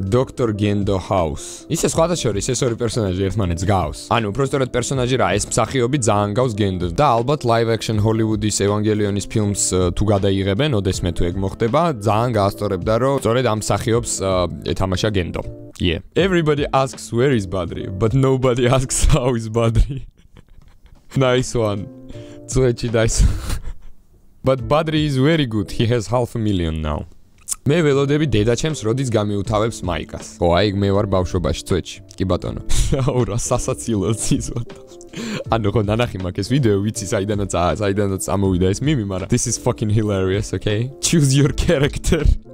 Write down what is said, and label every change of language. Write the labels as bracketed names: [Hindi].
[Georgian] დოქტორ გენდო ჰაუს ისე სხვათა შორის ეს ორი პერსონაჟი ერთმანეთს გავს ანუ უბრალოდ პერსონაჟი რა ეს მსახიობი ძალიან გავს გენდოს და ალბათ ლაივ აქშენ ჰოლივუდის ევანგელიონის ფილმს თუ გადაიღებენ ოდესმე თუ ეგ მოხდება ძალიან გაასწორებდა რომ სწორედ ამ მსახიობს ეთამაშა გენდო [English] yeah everybody asks where is badri but nobody asks how is badri nice one წუეჩი nice but badri is very good he has 500,000 now [Georgian] მე ველოდები დედაჩემს როდის გამეუთავებს მაიკას. ო, აი მე ვარ ბავშვობაში, წუეჩი. კი ბატონო. აუ რა სასაცილო ცისოთა. ანუ ხო ნანახი მაქვს ეს ვიდეო, ვიცი საიდანაც ამოვიდა ეს მიმი, მაგრამ [English] This is fucking hilarious, okay? Choose your character.